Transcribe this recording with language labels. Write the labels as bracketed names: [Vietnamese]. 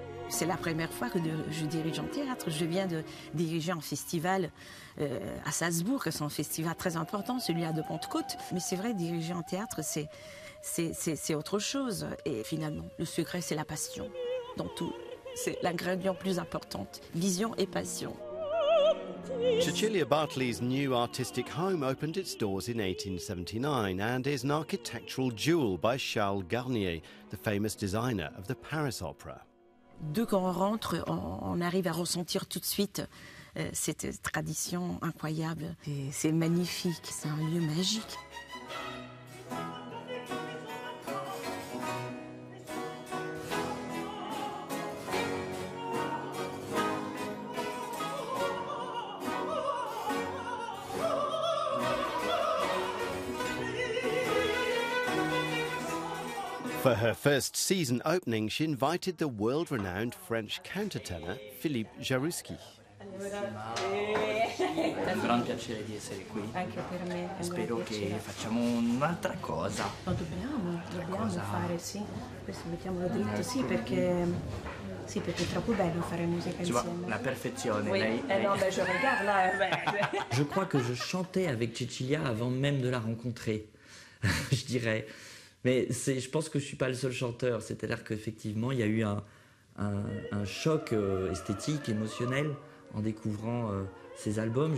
[French] C'est la première fois que je dirige un théâtre. Je viens de diriger un festival à Salzbourg. C'est un festival très important, celui-là de Pentecôte. Mais c'est vrai, diriger un théâtre, c'est autre chose. Et finalement, le secret, c'est la passion dans tout. C'est l'ingrédient plus important, vision et passion. [English] Cecilia Bartoli's new artistic home opened its doors in 1879 and is an architectural jewel by Charles Garnier, the famous designer of the Paris Opera. [French] Dès qu'on rentre, on arrive à ressentir tout de suite cette tradition incroyable. Et c'est magnifique, c'est un lieu magique. [English] For her first season opening, she invited the world-renowned French countertenor Philippe Jaroussky. [Italian] È un gran piacere di essere qui. Anche per me. Spero che facciamo un'altra cosa. Lo dobbiamo fare, sì. Questo mettiamolo dritto, sì, perché. Sì, perché è troppo bello fare musica insieme. La perfezione, lei. [French] Je regarde là. Je crois que je chantais avec Cecilia avant même de la rencontrer. Je dirais. Mais c'est, je pense que je ne suis pas le seul chanteur. C'est-à-dire qu'effectivement, il y a eu un choc esthétique, émotionnel, en découvrant ces albums.